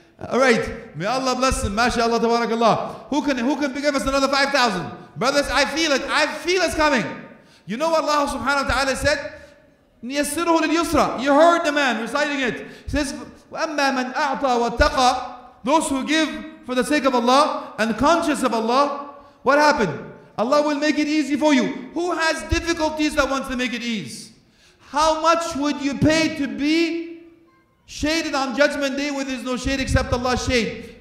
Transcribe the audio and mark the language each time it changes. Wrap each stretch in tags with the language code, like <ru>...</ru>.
<en>All right. May Allah bless them. MashaAllah, tabarakallah. Who can give us another 5,000? Brothers, I feel it. I feel it's coming. You know what Allah subhanahu wa ta'ala said?</en> <ar>نِيَسِّرُهُ لِلْيُسْرَى.</ar> <en>You heard the man reciting it. He says,</en> <ar>وَأَمَّا مَنْ أَعْطَى وَاتَّقَى.</ar> <en>Those who give for the sake of Allah and conscious of Allah, what happened? Allah will make it easy for you. Who has difficulties that wants to make it ease? How much would you pay to be Shaded on Judgment Day where there's no shade except Allah's shade.</en>